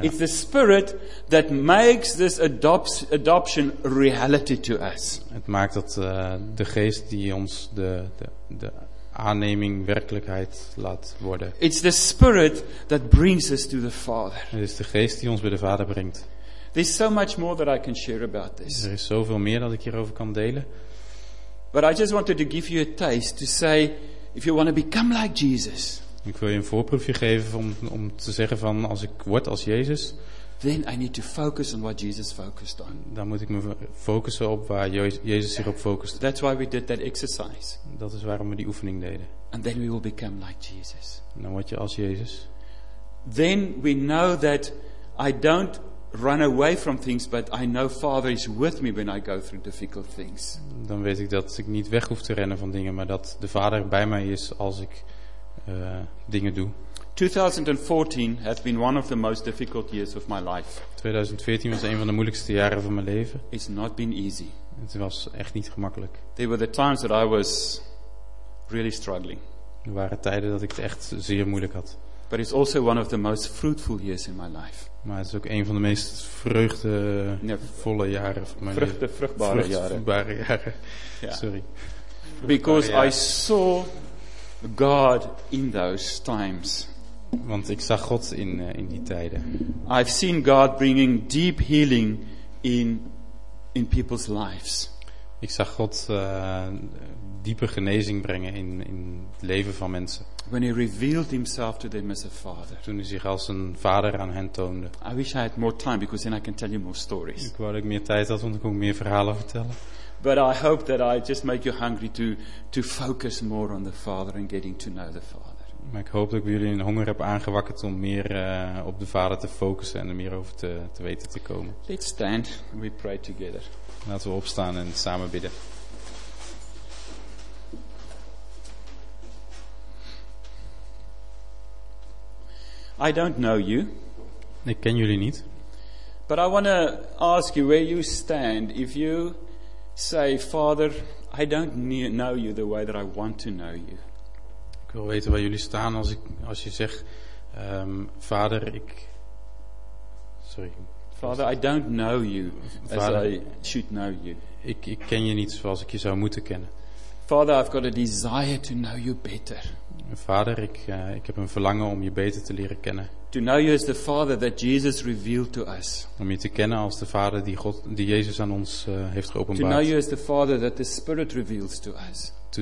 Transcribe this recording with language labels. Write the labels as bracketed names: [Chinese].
[English] It's the Spirit that makes this adoption reality to us. [Dutch] Het maakt dat de Geest die ons de aanneming werkelijkheid laat worden. [English] It's the Spirit that brings us to the Father. [Dutch] Het is de Geest die ons bij de Vader brengt. [English] There's so much more that I can share about this. [Dutch] Er is zoveel meer dat ik hierover kan delen. [English] But I just wanted to give you a taste to say, if you want to become like Jesus. [Dutch] Ik wil je een voorproefje geven om te zeggen van als ik word als Jezus. [English] Then I need to focus on what Jesus focused on. [Dutch] Dan moet ik me focussen op waar Jezus zich op focust. [English] That's why we did that exercise. [Dutch] Dat is waarom we die oefening deden. [English] And then we will become like Jesus. [Dutch] Dan word je als Jezus. [English] Then we know that I don't run away from things, but I know Father is with me when I go through difficult things. [Dutch] Dan weet ik dat ik niet weg hoef te rennen van dingen, maar dat de Vader bij mij is als ik dingen doe. [English] 2014 has been one of the most difficult years of my life. [Dutch] 2014 was een van de moeilijkste jaren van mijn leven. [English] It's not been easy. [Dutch] Het was echt niet gemakkelijk. [English] There were the times that I was really struggling. [Dutch] Er waren tijden dat ik het echt zeer moeilijk had. [English] But it's also one of the most fruitful years in my life. [Dutch] Maar het is ook een van de meest vreugdevolle jaren van mijn leven. Vruchtbare jaren. [English] Yeah. Sorry. Because I saw God in those times. [Dutch] Want ik zag God in die tijden. [English] I've seen God bringing deep healing in people's lives. [Dutch] Ik zag God diepe genezing brengen in het leven van mensen. [English] When he revealed himself to them as a father. [Dutch] Toen hij zich als een vader aan hen toonde. [English] I wish I had more time, because then I can tell you more stories. [Dutch] Ik wou dat ik meer tijd had, want dan kon ik meer verhalen vertellen. [English] But I hope that I just make you hungry to focus more on the Father and getting to know the Father. [Dutch] Maar ik hoop dat ik jullie een honger heb aangewakkerd om meer op de Vader te focussen en er meer over te weten te komen. [English] Let's stand and we pray together. [Dutch] Laten we opstaan en samen bidden. [English] I don't know you. [Dutch] Ik ken jullie niet. [English] But I want to ask you where you stand if you say, Father, I don't know you the way that I want to know you. [Dutch] Ik wil weten waar jullie staan als je zegt, Vader, ik. [English] Sorry. Father, I don't know you Vader, as I should know you. [Dutch] Ik ken je niet zoals ik je zou moeten kennen. [English] Father, I've got a desire to know you better. [Dutch] Vader, ik heb een verlangen om je beter te leren kennen. [English] To know you as the Father that Jesus revealed to us. [Dutch] Om je te kennen als de Vader die God, die Jezus aan ons heeft geopenbaard. [English] To know you as the Father that the Spirit reveals to us.